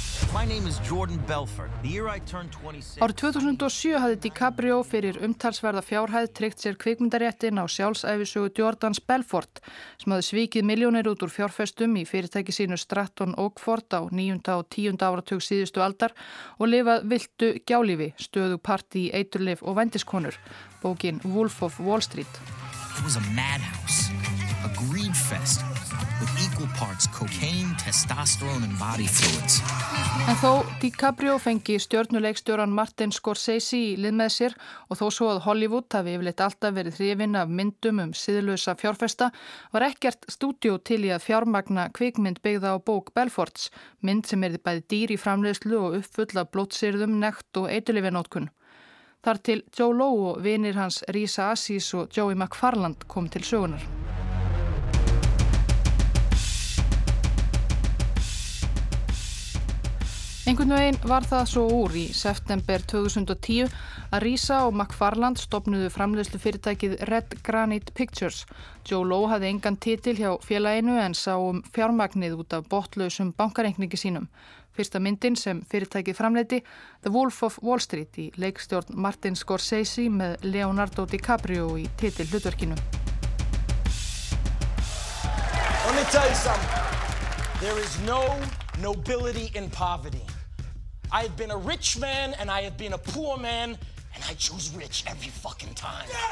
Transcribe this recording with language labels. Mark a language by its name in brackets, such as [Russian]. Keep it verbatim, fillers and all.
[Icelandic] Árið tvö þúsund og sjö hafði DiCaprio fyrir umtalsverða fjárhæð tryggt sér kvikmyndaréttin á sjálfsæfisögu Jordans Belfort sem hafði svikið milljónir út úr fjárfestum í fyrirtæki sínu Stratton Oakford á níunda og tíunda áratug síðustu aldar og lifað viltu gjálífi, stöðu partí, eiturlif og vændiskonur, bókin Wolf of Wall Street. [English] It was a madhouse, a greed fest. With equal parts cocaine, testosterone and body fluids. [Icelandic] En þó DiCaprio fengi stjörnuleikstjóran Martin Scorsese í lið með sér og þó svo að Hollywood hafi yfirleitt alltaf verið hrifin af myndum um siðlausa fjárfesta var ekkert stúdíó til í að fjármagna kvikmynd byggða á bók Belforts, mynd sem er bæði dýr í framleiðslu og uppfull af blótsýrðum, nekt og eiturlyfjanótkun. Þar til Joe Low og vinir hans Risa Aziz og Joey McFarland kom til sögunar. Einhvern veginn var það svo úr í september tvö þúsund og tíu að Risa og McFarland stofnuðu framleiðslu fyrirtækið Red Granite Pictures. Joe Low hafði engan titil hjá félaginu en sá um fjármagnið út af botlausum bankareikningi sínum. Fyrsta myndin sem fyrirtækið framleiddi, The Wolf of Wall Street í leikstjórn Martin Scorsese með Leonardo DiCaprio í titil hlutverkinu. [English] Let me tell you something. There is no nobility in poverty. I have been a rich man and I have been a poor man and I choose rich every fucking time.